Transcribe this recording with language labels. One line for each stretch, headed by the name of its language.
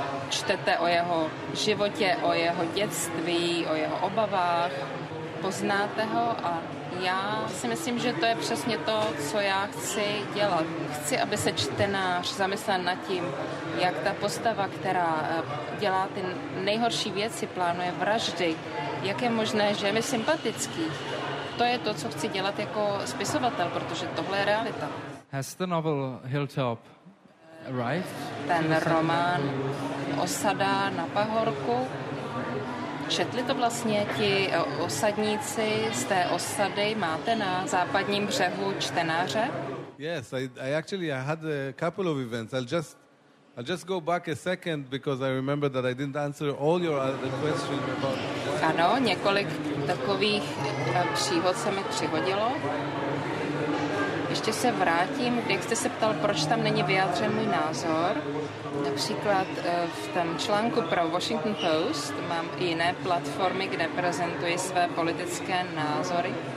Czech: Čtete o jeho životě, o jeho dětství, o jeho obavách, poznáte ho a já si myslím, že to je přesně to, co já chci dělat. Chci, aby se čtenář zamyslel nad tím, jak ta postava, která dělá ty nejhorší věci, plánuje vraždy, jak je možné, že je mi sympatický. To je to, co chci dělat jako spisovatel, protože tohle je realita.
English: Has the novel Hilltop arrived?
Czech: Ten román Osada na pahorku. Četli to vlastně ti osadníci z té osady? Máte na západním břehu čtenáře?
English: Yes, I had a couple of events. I'll just go back a second because I remember that I didn't answer all your other questions about.
Czech: Ano, několik takových příhod se mi přihodilo. ještě se vrátím, jak jste se ptal, proč tam není vyjádřen můj názor. Například v tom článku pro Washington Post mám i jiné platformy, kde prezentuji své politické názory.